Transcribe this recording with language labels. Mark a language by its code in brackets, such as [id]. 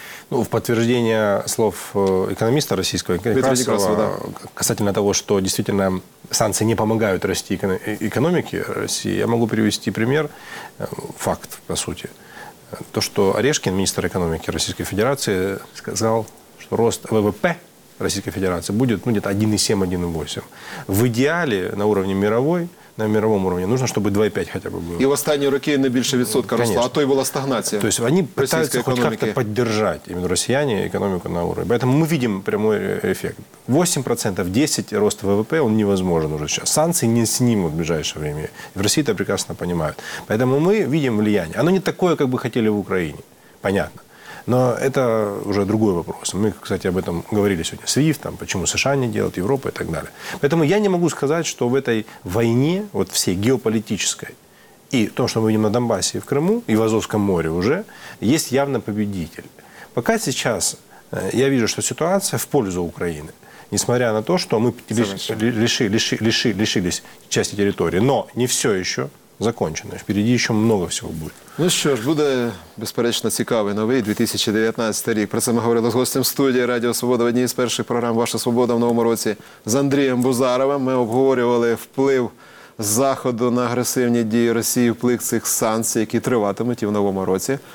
[uk] Ну, в підтвердження слов економіста російського, Некрасова, да, касательно того, що дійсно санкції не допомагають рости економіки Росії, я можу привести пример, факт, по суті. То, що Орешкін, міністр економіки Російської Федерації, сказав, що рост ВВП Російської Федерації буде, ну, десь 1,7-1,8. В ідеалі на рівні мировій, на мировому уровне. [ru] Нужно, чтобы 2,5 хотя бы было. И в остальные руки не больше відсотка росла, а то и была стагнация. То есть они пытаются хоть как-то поддержать именно россияне экономику на уровне. Поэтому мы видим прямой эффект. 8%, 10% роста ВВП, он невозможен уже сейчас. Санкции не снимут в ближайшее время. В России это прекрасно понимают. Поэтому мы видим влияние. Оно не такое, как бы хотели в Украине. Понятно. Но это уже другой вопрос. Мы, кстати, об этом говорили сегодня. Свифт, там, почему США не делают, Европа и так далее. Поэтому я не могу сказать, что в этой войне, вот всей геополитической, и том, что мы видим на Донбассе и в Крыму, и в Азовском море уже, есть явно победитель. Пока сейчас я вижу, что ситуация в пользу Украины. Несмотря на то, что мы лишились части территории. Но не все еще закончено. Впереди еще много всего будет. [uk] Ну що ж, буде, безперечно, цікавий новий 2019 рік. Про це ми говорили з гостем студії Радіо Свобода в одній з перших програм «Ваша свобода» в новому році з Андрієм Бузаровим. Ми обговорювали вплив Заходу на агресивні дії Росії, вплив цих санкцій, які триватимуть і в новому році.